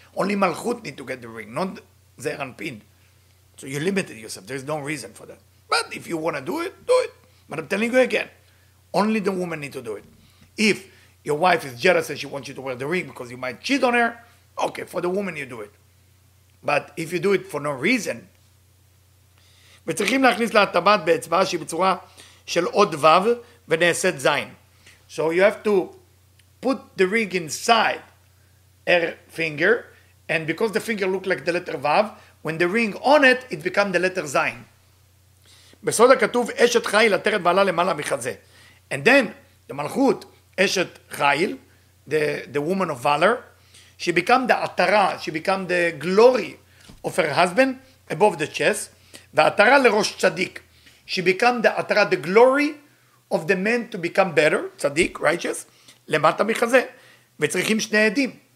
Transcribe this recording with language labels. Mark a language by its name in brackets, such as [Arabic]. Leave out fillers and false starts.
[English] Only Malchut need to get the ring, not Zeir Anpin. So you limited yourself. There's no reason for that. But if you want to do it, do it. But I'm telling you again, only the woman need to do it. If your wife is jealous and she wants you to wear the ring because you might cheat on her, okay, for the woman you do it. But if you do it for no reason, [Hebrew] וצריכים להכניס לה טבעת באצבע שהיא בצורה של עוד וו ונעשית זין. [English] So you have to put the ring inside her finger, and because the finger looks like the letter וו, when the ring on it, it becomes the letter זין. [Hebrew] בסוד הכתוב, אשת חיל עטרת בעלה למעלה מחזה. [English] And then the Malchut, Eshet Chayil, the woman of valor, she become the Atara, she become the glory of her husband above the chest. The Atara leRosh Tzadik, she become the Atara, the glory of the man to become better, Tzadik, righteous, [Hebrew] Lemata Michazeh, Vetzrichim Shnei Edim.